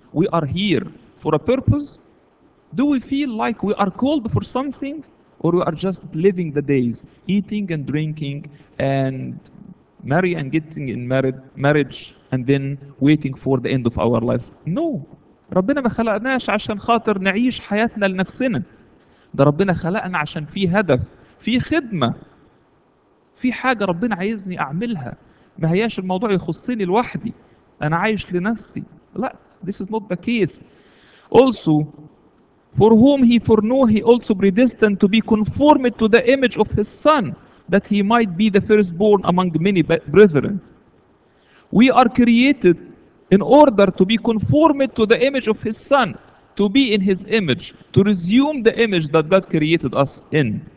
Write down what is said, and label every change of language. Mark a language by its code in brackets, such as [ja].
[en] We are here for a purpose? Do we feel like we are called for something, or we are just living the days, eating and drinking and marry and getting in marriage and then waiting for the end of our lives? No. [ar] ربنا ما خلقناش عشان خاطر نعيش حياتنا لنفسنا. ده ربنا خلقنا عشان في هدف, في خدمة, في حاجة ربنا عايزني أعملها. ما هياش الموضوع يخصني لوحدي, أنا عايش لنفسي. لا, [en] this is not the case. Also, for whom He foreknew, He also predestined to be conformed to the image of His Son, that He might be the firstborn among many brethren. We are created in order to be conformed to the image of His Son, to be in His image, to resume the image that God created us in.